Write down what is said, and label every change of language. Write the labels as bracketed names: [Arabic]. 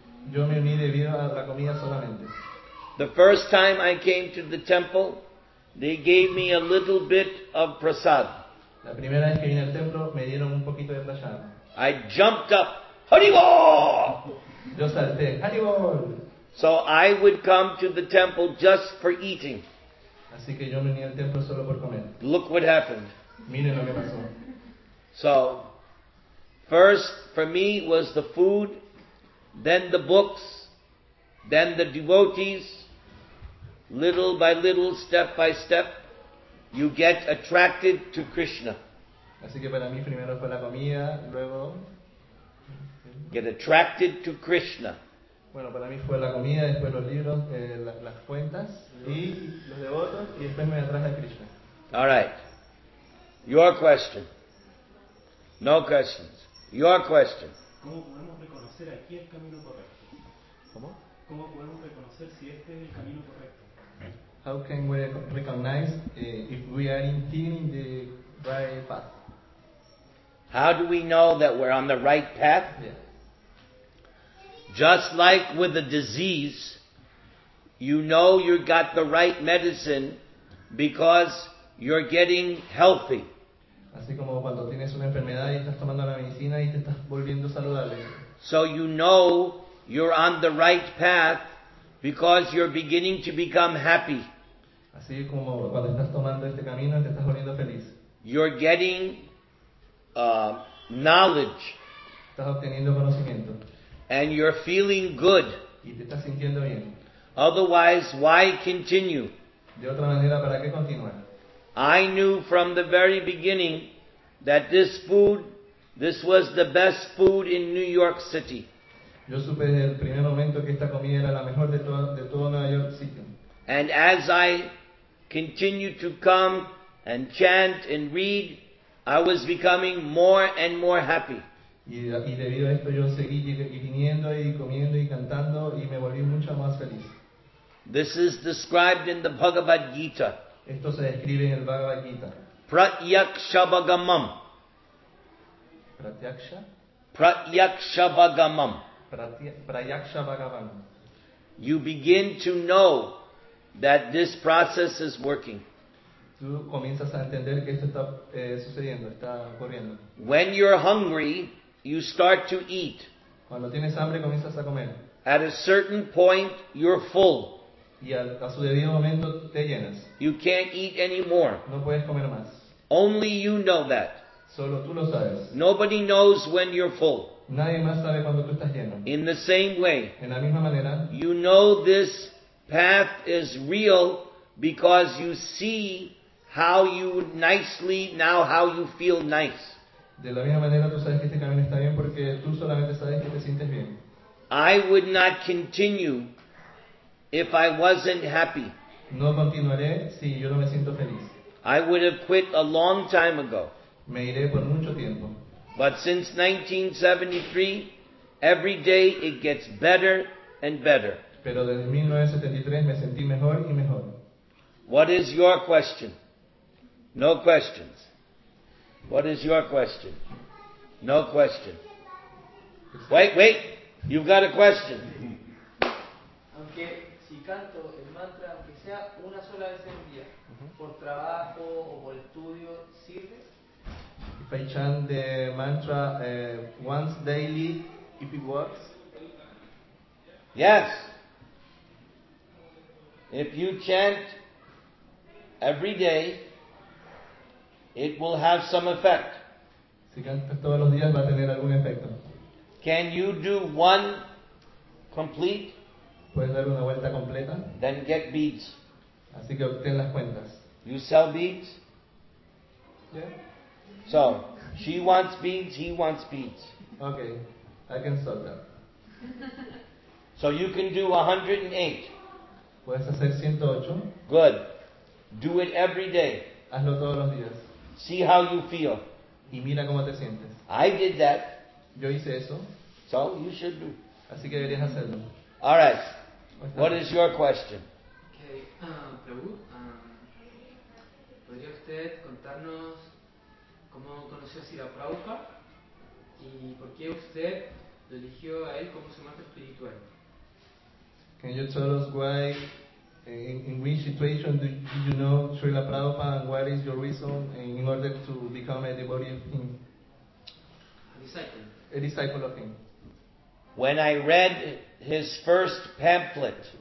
[Spanish] Yo me uní debido a la comida solamente. [English] The first time I came to the temple, they gave me a little bit of prasad. [Spanish] La primera vez que vine al templo me dieron un poquito de prasad. [English] I jumped up. Haribol! [Spanish] Yo salté. Haribol! [English] So I would come to the temple just for eating. [Spanish] Así que yo me uní al templo solo por comer. [English] Look what happened. [Spanish] Miren lo que pasó. [English] So, first for me was the food, then the books, then the devotees. Little by little, step by step, you get attracted to Krishna. [Spanish] Así que para mí primero fue la comida, luego... [English] Get attracted to Krishna. [Spanish] Bueno, para mí fue la comida, después los libros, las cuentas, y los devotos, y después me atraje a Krishna. [English] All right. Your question. No questions. Your question. [Spanish] ¿Cómo podemos reconocer aquí el camino correcto? ¿Cómo? ¿Cómo podemos reconocer si este es el camino correcto? [English] How can we recognize if we are indeed in the right path? How do we know that we're on the right path? Yeah. Just like with a disease, You know you got the right medicine because you're getting healthy. [Spanish] Así como cuando tienes una enfermedad y estás tomando la medicina y te estás volviendo saludable. [English] So you know you're on the right path because you're beginning to become happy. [Spanish] Así como cuando estás tomando este camino te estás volviendo feliz. [English] You're getting knowledge. [Spanish] Estás obteniendo conocimiento. [English] And you're feeling good. [Spanish] Y te estás sintiendo bien. [English] Otherwise, why continue? [Spanish] De otra manera, ¿para qué continuar? [English] I knew from the very beginning that this food, this was the best food in New York City. [Spanish] Yo supe desde el primer momento que esta comida era la mejor de todo Nueva York City. [English] And as I continued to come and chant and read, I was becoming more and more happy. [Spanish] Y debido a esto yo seguí viniendo y comiendo y cantando y me volví mucho más feliz. [English] This is described in the Bhagavad Gita. [Spanish] Esto se describe en el Bhagavad Gita. [Sanskrit] Pratyakshabhagamam. Pratyaksha? Pratyakshabhagamam. Pratyakshabhagavan. [English] You begin to know that this process is working. [Spanish] Tú comienzas a entender que esto está sucediendo, está ocurriendo. [English] When you're hungry, you start to eat. [Spanish] Cuando tienes hambre, comienzas a comer. [English] At a certain point, you're full. [Spanish] Y a su debido momento te llenas. [English] You can't eat anymore. [Spanish] No puedes comer más. [English] Only you know that. [Spanish] Solo tú lo sabes. [English] Nobody knows when you're full. [Spanish] Nadie más sabe cuando tú estás lleno. [English] In the same way. [Spanish] En la misma manera. [English] You know this path is real because you see how you nicely now how you feel nice. [Spanish] De la misma manera tú sabes que este camino está bien porque tú solamente sabes que te sientes bien. [English] I would not continue if I wasn't happy. [Spanish] No continuaré si yo no me siento feliz. [English] I would have quit a long time ago. [Spanish] Me iré por mucho tiempo. [English] But since 1973, every day it gets better and better. [Spanish] Pero desde 1973 me sentí mejor y mejor. [English] What is your question? No questions. What is your question? No question. Wait. You've got a question. Okay. [Spanish] Si canto el mantra, aunque sea una sola vez en día, por trabajo o por estudio, ¿sirve? [English] If I chant the mantra once daily, if it works? Yes. If you chant every day, it will have some effect. [Spanish] Si cantas todos los días, va a tener algún efecto. [English] Can you do one complete? [Spanish] Puedes dar una vuelta completa. [English] Then get beads. [Spanish] Así que obtén las cuentas. [English] You sell beads? Yeah. So, she wants beads, he wants beads. Okay, I can sell them. So you can do 108. [Spanish] Puedes hacer 108. [English] Good. Do it every day. [Spanish] Hazlo todos los días. [English] See how you feel. [Spanish] Y mira cómo te sientes. [English] I did that. [Spanish] Yo hice eso. [English] So, you should do. [Spanish] Así que deberías hacerlo. [English] All right. What is your question? Okay. [Spanish] Prabhu, ¿podría usted contarnos cómo conoció a Srila Prabhupada y por qué usted lo eligió a él como su maestro espiritual? [English] Can you tell us why, in which situation did you know Srila Prabhupada and what is your reason in order to become a devotee of him? A disciple of him. When I read his first pamphlet,